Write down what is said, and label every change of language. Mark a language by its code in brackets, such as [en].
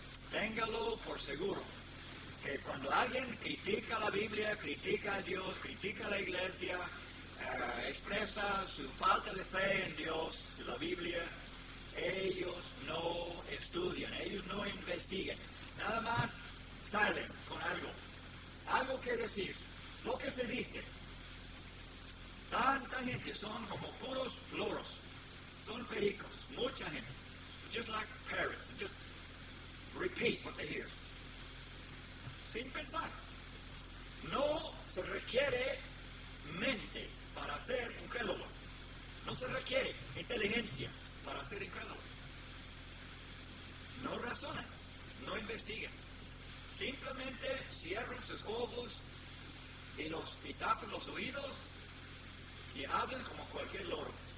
[es] Téngalo por seguro que cuando alguien critica la Biblia, critica a Dios, critica a la iglesia, expresa su falta de fe en Dios, la Biblia, ellos no estudian, ellos no investigan. Nada más salen con algo, algo que decir, lo que se dice. Tanta gente son como puros loros, son pericos, mucha gente. [en] Just like parrots, just repeat what they hear. [es] Sin pensar. No se requiere mente para ser incrédulo. No se requiere inteligencia para ser incrédulo. No razonan, no investigan. Simplemente cierran sus ojos y tapan los oídos y hablan como cualquier loro.